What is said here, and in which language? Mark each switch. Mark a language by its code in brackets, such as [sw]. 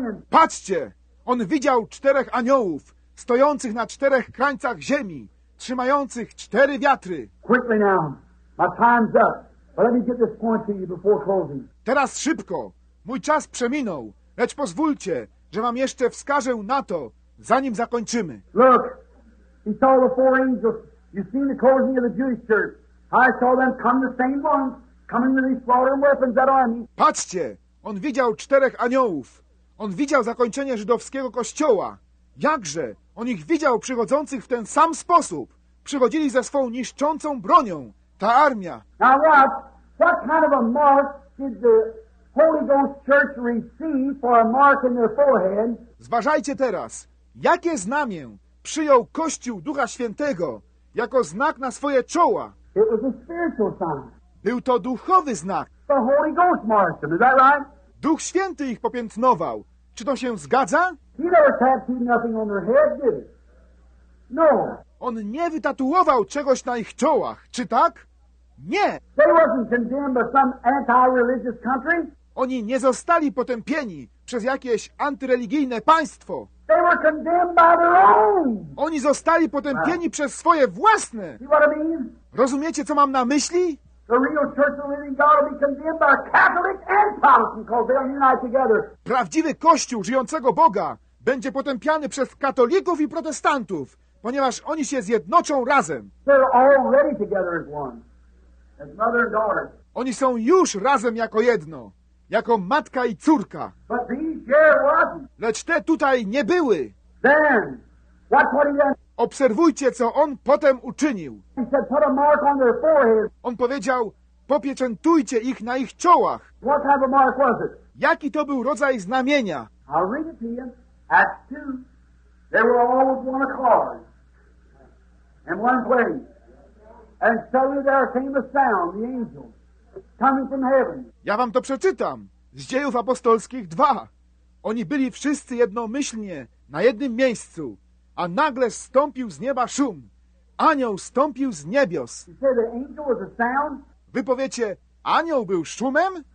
[pl] Patrzcie, on widział czterech aniołów stojących na czterech krańcach ziemi, trzymających cztery wiatry. [en] Quickly now, my time's up. But let me get this point to you before closing. [pl] Teraz szybko, mój czas przeminął, lecz pozwólcie, że wam jeszcze wskażę na to, zanim zakończymy. [en] Look, he saw the four angels. You've seen the closing of the Jewish church. I saw them come the same ones, coming with these slaughtering weapons that army. [pl] Patrzcie, on widział czterech aniołów. On widział zakończenie żydowskiego kościoła. Jakże on ich widział przychodzących w ten sam sposób, przychodzili ze swą niszczącą bronią, ta armia. [en] Now watch, what kind of a mark did the Holy Ghost Church receive for a mark in their forehead? [pl] Zważajcie teraz, jakie znamię przyjął Kościół Ducha Świętego jako znak na swoje czoła? [en] It was a spiritual sign. [pl] Był to duchowy znak. [en] The Holy Ghost marked them, is that right? [pl] Duch Święty ich popiętnował. Czy to się zgadza? [en] He never tattooed nothing on their head, did he? No. [pl] On nie wytatuował czegoś na ich czołach, czy tak? Nie. [en] They wasn't condemned by some anti-religious country. [pl] Oni nie zostali potępieni przez jakieś antyreligijne państwo. [en] They were condemned by their own. [pl] Oni zostali potępieni [en] right. [pl] przez swoje własne. [en] See what I mean? [pl] Rozumiecie, co mam na myśli? [en] The real church of the living God will be condemned by Catholic and Protestant because they'll unite together. [pl] Prawdziwy Kościół żyjącego Boga będzie potępiany przez katolików i protestantów, ponieważ oni się zjednoczą razem. [en] They're already together as one, as mother and daughter. [pl] Oni są już razem jako jedno, jako matka i córka. [en] But these here wasn't. [pl] Lecz te tutaj nie były. [en] Then, watch what he did. [pl] Obserwujcie, co on potem uczynił. [en] He said, put a mark on their forehead. [pl] On powiedział, popieczętujcie ich na ich czołach. [en] What type of mark was it? [pl] Jaki to był rodzaj znamienia? [en] I'll read it to you. Acts 2, they were all with one accord. In one place. And suddenly there came a sound, the angel, coming from heaven. [pl] Ja wam to przeczytam. Z Dziejów Apostolskich 2. Oni byli wszyscy jednomyślnie na jednym miejscu. A nagle zstąpił z nieba szum. Anioł zstąpił z niebios. Wy powiecie, anioł był szumem?